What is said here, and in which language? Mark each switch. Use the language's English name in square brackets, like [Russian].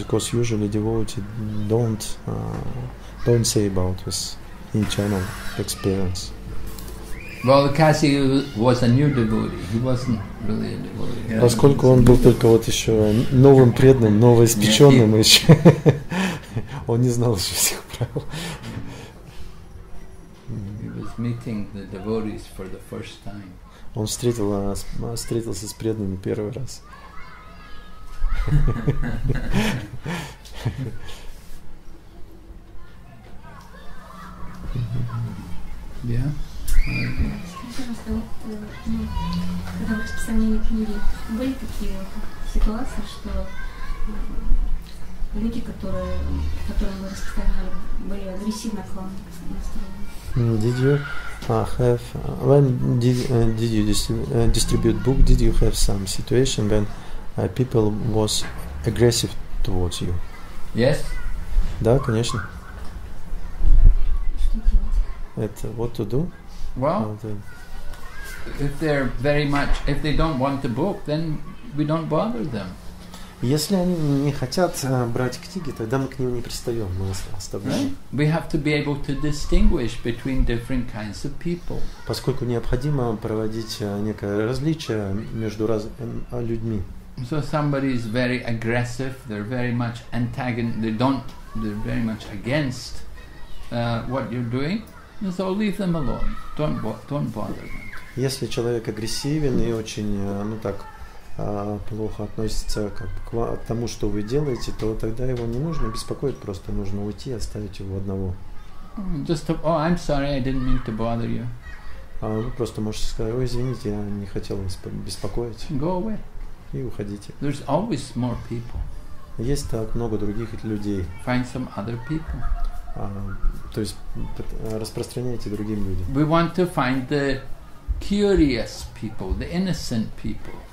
[English] Because usually devotees don't say about his internal experience. Well, Kasi was a new devotee. He wasn't really a devotee. Yeah, [Russian] поскольку он был только вот еще новым преданным, новоиспеченным еще, он не знал еще всех правил. [English] He was meeting the devotees for the first time. [Russian] Он встретился с преданными первый раз. [English] Yeah. [Russian] Когда вы писали книги, были такие ситуации, что люди, которые вы распространяли, были агрессивно к вам настроены? [English] Did you have when did you distribute book? Did you have some situation when people was aggressive towards you? Yes. [Russian] Да, конечно. Что делать? Это [English] what to do? Well, if they're very much, if they don't want the book, then we don't bother them. [Russian] Если они не хотят брать книги, тогда мы к ним не пристаем, мы оставляем. [English] We have to be able to distinguish between different kinds of people. [Russian] Поскольку необходимо проводить некое различие между людьми. [English] So somebody is very aggressive. They're very much They don't. They're very much against what you're doing. So leave them alone. Don't bother them. [Russian] Если человек агрессивен и очень, ну так, плохо относится как к тому, что вы делаете, то тогда его не нужно беспокоить, просто нужно уйти, оставить его одного. [English] I'm sorry, I didn't mean to bother you. [Russian] Вы просто можете сказать: «Ой, извините, я не хотел вас беспокоить». [English] Go away. [Russian] И уходите. [English] There's always more people. [Russian] Есть так много других людей. [English] Find some other people. [Russian] То есть распространяйте другим людям. [English] We want to find the curious people, the innocent people.